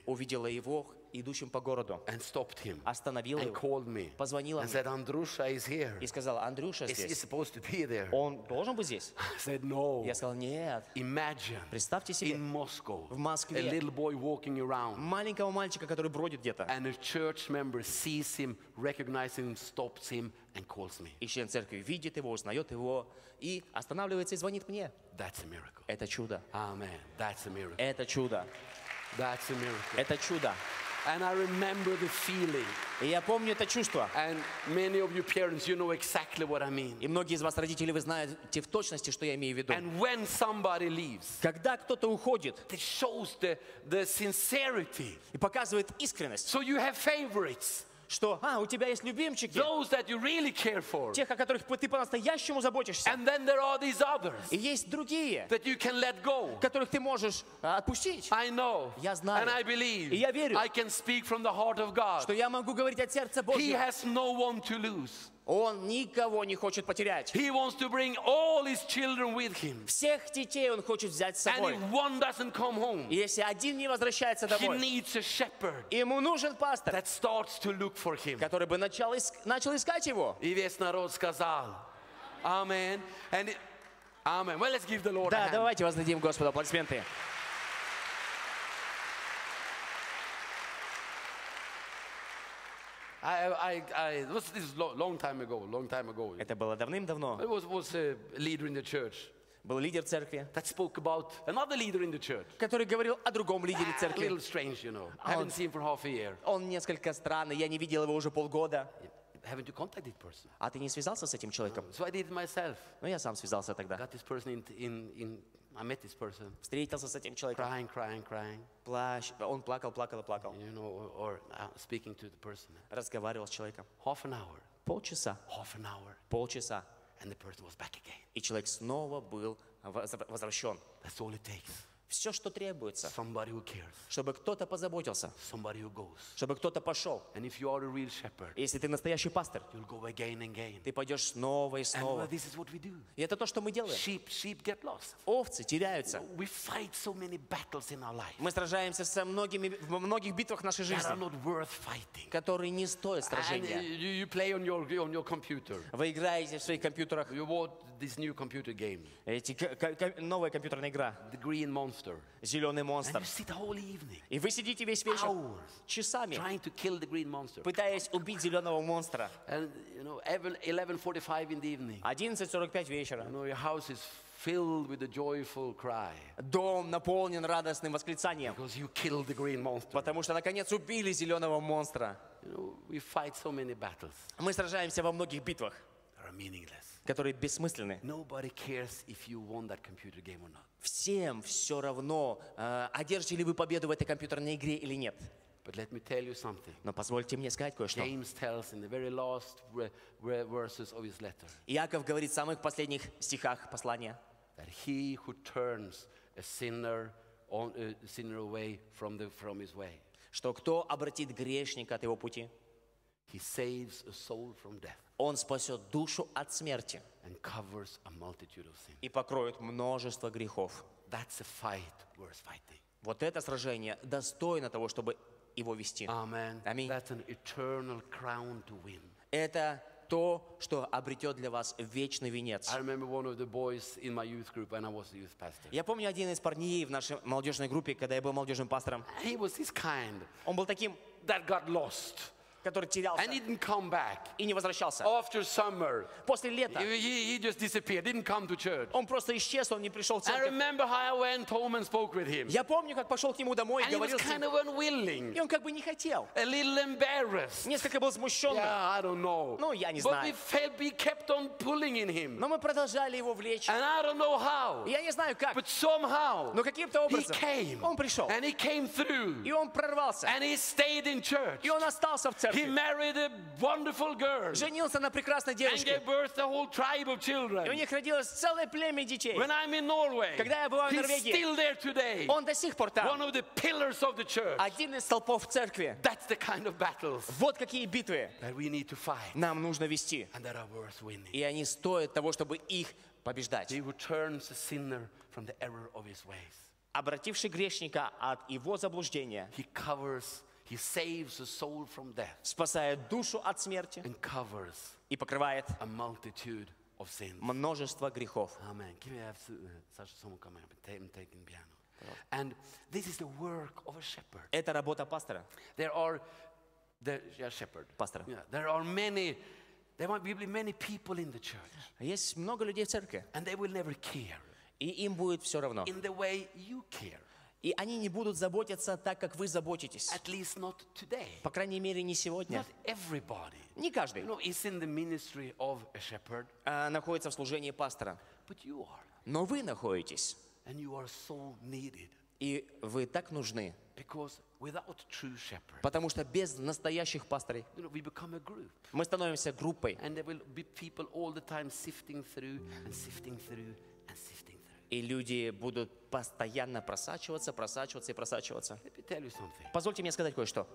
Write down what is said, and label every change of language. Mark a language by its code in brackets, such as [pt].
[ru] увидела его идущим по городу, [en] and stopped him, [ru] остановила [en] and [ru] его, [en] called me, [ru] позвонила [en] and [ru] мне, [en] said, Andrusha is here, [ru] и сказала, Андрюша здесь. [en] Is he supposed to be there? [ru] Он должен быть здесь? [en] I said, no. [ru] Я сказал, нет. [en] Imagine, [ru] представьте себе, [en] in Moscow, [ru] в Москве, [en] a little boy walking around, [ru] маленького мальчика, который бродит где-то, [en] and a church member sees him, recognizes him, stops him, and calls me. [ru] И член церкви видит его, узнает его и останавливается и звонит мне. [en] That's a miracle. [ru] Это чудо. [en] Amen. That's a miracle. [ru] Это чудо. [en] That's a miracle. [ru] Это чудо. [en] And I remember the feeling. [ru] И я помню это чувство. [en] And many of you parents, you know exactly what I mean. [ru] И многие из вас родители, вы знаете в точности, что я имею в виду. [en] And when somebody leaves, [ru] когда кто-то уходит, [en] it shows the sincerity. [ru] И показывает искренность. [en] So you have favorites. [ru] Что, у тебя есть любимчики. [en] Those that you really care for. [ru] Тех, о которых ты по-настоящему заботишься. [en] And then there are these others. [ru] И есть другие. [en] That you can let go. [ru] Которых ты можешь отпустить. [en] I know. [ru] Я знаю. [en] And I believe. [ru] И я верю. [en] I can speak from the heart of God. [ru] Что я могу говорить от сердца Божьего. [en] He has no one to lose. [ru] Он никого не хочет потерять. [en] He wants to bring all his children with him. [ru] Всех детей он хочет взять с собой. [en] And if one doesn't come home, [ru] если один не возвращается домой, [en] he needs a shepherd, [ru] ему нужен пастор, [en] that starts to look for him, [ru] который бы начал искать его. И весь народ сказал, Amen. [en] And Amen. Well, let's give the Lord [ru] да, [en] a hand. [ru] Давайте воздадим Господу аплодисменты. [en] I was this long time ago. [ru] Это было давным-давно. [en] I was a leader in the church. [ru] Был лидер церкви. [en] That spoke about another leader in the church. [ru] Который говорил о другом лидере церкви. [en] A little strange, you know. I haven't seen him for half a year. [ru] Он несколько странный. Я не видел его уже полгода. [en] Haven't you contacted that person? [ru] А ты не связался с этим человеком? [en] So I did it myself. [ru] Ну я сам связался тогда. [en] Got this person in I met this person. [ru] Встретился с этим человеком. [en] Crying. [ru] Он плакал. [en] You know, or speaking to the person. [ru] Разговаривал с человеком. [en] Half an hour. [ru] Полчаса. [en] Half an hour. [ru] Полчаса. [en] And the person was back again. [ru] И человек снова был возвращен. [en] That's all it takes. [ru] Все, что требуется. [en] Somebody who cares. [ru] Чтобы кто-то позаботился. [en] Somebody who goes. [ru] Чтобы кто-то пошел. [en] And if you are a real shepherd, [ru] если ты настоящий пастор, [en] you'll go again and again. [ru] Ты пойдешь снова и снова. [en] And this is what we do. [ru] И это то, что мы делаем. [en] Sheep get lost. [ru] Овцы теряются. [en] We fight so many battles in our life. [ru] Мы сражаемся со многими в многих битвах нашей жизни, [en] that are not worth fighting. [ru] Которые не стоят сражения. [en] And you play on your computer. [ru] Вы играете в своих компьютерах. [en] You bought this new computer game. [ru] Эти новая компьютерная игра. [en] The Green Monster. [ru] Зеленый монстр. [en] And you sit whole evening, [ru] и вы сидите весь вечер, [en] hours, [ru] часами, [en] trying to kill the green monster, [ru] пытаясь убить зеленого монстра. [en] And, you know, 11:45 in the evening, [ru] 11:45 вечера. [en] You know, your house is filled with a joyful cry. [ru] Дом наполнен радостным восклицанием. [en] Because you killed the green monster. [ru] Потому что наконец убили зеленого монстра. [en] You know, we fight so many battles. [ru] Мы сражаемся во многих битвах, [en] meaningless, [ru] которые бессмысленны. [en] Nobody cares if you won that computer game or not. [ru] Всем все равно, одержите ли вы победу в этой компьютерной игре или нет. [en] But let me tell you something. [ru] Но позвольте мне сказать кое-что. [en] James tells in the very last verses of his letter. [ru] Иаков говорит в самых последних стихах послания. [en] That he who turns a sinner on a sinner away from his way. [ru] Что кто обратит грешника от его пути? [en] He saves a soul from death. [ru] Он спасет душу от смерти [en] and covers a multitude of sins. [ru] И покроет множество грехов. [en] That's a fight worth fighting. [ru] Вот это сражение достойно того, чтобы его вести. [en] Amen. [ru] Аминь. [en] That's an eternal crown to win. [ru] Это то, что обретет для вас вечный венец. [en] I remember one of the boys in my youth group when I was a youth pastor. [ru] Я помню один из парней в нашей молодежной группе, когда я был молодежным пастором. [en] He was this kind. [ru] Он был таким, [en] that got lost. [ru] который терялся, [en] and he didn't come back. [ru] И не возвращался. [en] After summer, [ru] после лета, [en] he just disappeared, didn't come to church. [ru] Он просто исчез, он не пришел в церковь. [en] I remember how I went home and spoke with him. [ru] Я помню, как пошел к нему домой и говорил с ним. [en] And he was kind of unwilling. [ru] И он как бы не хотел. [en] A little embarrassed. [ru] Несколько был смущен. [en] Yeah, I don't know. [ru] Ну, я не [en] But [ru] знаю. [en] But we kept on pulling in him. [ru] Но мы продолжали его влечь. [en] And I don't know how. [ru] Я не знаю как. [en] But somehow, [ru] но каким-то образом, [en] he came. [ru] Он пришел. [en] And he came through. [ru] И он прорвался. [en] And he stayed in church. [ru] И он остался в церкви. [en] He married a wonderful girl. [ru] Женился на прекрасной девушке. [en] And gave birth to a whole tribe of children. [ru] И у них родилось целое племя детей. [en] When I'm in Norway, [ru] когда я бываю в Норвегии, [en] he's still there today. [ru] Он до сих пор там. [en] One of the pillars of the church. [ru] Один из столпов церкви. [en] That's the kind of battles. [ru] Вот какие битвы. [en] That we need to fight. [ru] Нам нужно вести. [en] And that are worth winning. [ru] И они стоят того, чтобы их побеждать. [en] He who turns a sinner from the error of his ways. [ru] Обративший грешника от его заблуждения. [en] He covers. He saves a soul from death. [ru] Спасает душу от смерти. [en] And covers. [ru] И покрывает. [en] A multitude of sins. [ru] Множество грехов. [en] Amen. Give me such a song, come on. I'm taking piano. And this is the work of a shepherd. [ru] Это работа пастора. [en] There are the shepherd. [ru] Пастора. [en] Yeah. There are many. There might be many people in the church. [ru] Есть много людей в церкви. [en] And they will never care. [ru] И им будет все равно. [en] In the way you care. [ru] И они не будут заботиться так, как вы заботитесь. [en] At least not today. [ru] По крайней мере, не сегодня. [en] Not everybody. [ru] Не каждый. [en] No, it's in the ministry of a shepherd. [ru] Находится в служении пастора. [en] But you are. [ru] Но вы находитесь. [en] And you are so needed. [ru] И вы так нужны. [en] Because without true shepherd, [ru] потому что без настоящих пасторей, [en] you know, we become a group. [ru] Мы становимся группой. [en] And there will be people all the time sifting through and sifting through and sifting. [ru] И люди будут постоянно просачиваться, просачиваться и просачиваться. [en] Let me tell you something. [ru] Позвольте мне сказать кое-что.